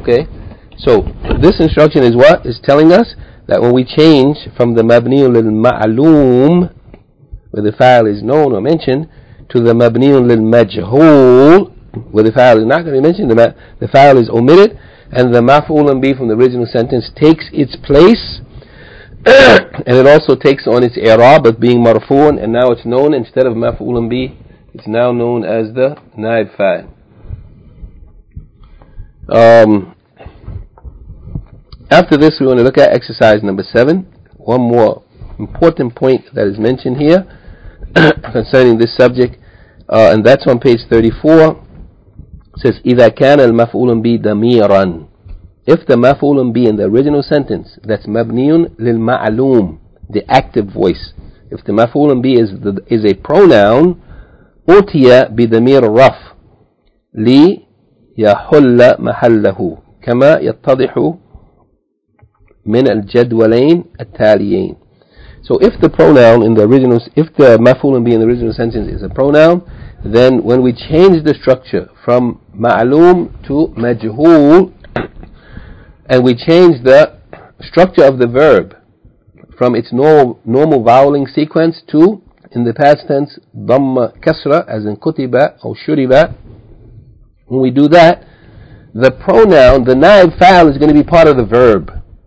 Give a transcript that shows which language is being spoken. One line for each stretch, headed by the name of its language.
English: Okay, so this instruction is what? Is telling us that when we change from the مبني للمعلوم, where the فاعل is known or mentioned, to the مبني للمجهول, where the فاعل is not going to be mentioned, the فاعل is omitted, and the مفعول به from the original sentence takes its place, and it also takes on its إعراب of being مرفوعاً, and now it's known, instead of مفعول به, it's now known as the نائب فاعل. After this, we want to look at exercise number 7. One more important point that is mentioned here concerning this subject, and that's on page 34. It says,
Arabic: إذا كان المفعول به ضميرا.
English: If the مفعول به in the original sentence, that's مبني للمعلوم, the active voice, if the مفعول به is a pronoun,
Arabic: أتي بضمير رفع ليحل محله كما يتضح من الجدولين التاليين.
English: So if the pronoun in the original, if the مفعول به in the original sentence is a pronoun, then when we change the structure from معلوم to مجهول, and we change the structure of the verb from its normal voweling sequence to, in the past tense, ضم كسرة, as in كتب أو شرب, when we do that, the pronoun, the نائب فاعل, is going to be part of the verb.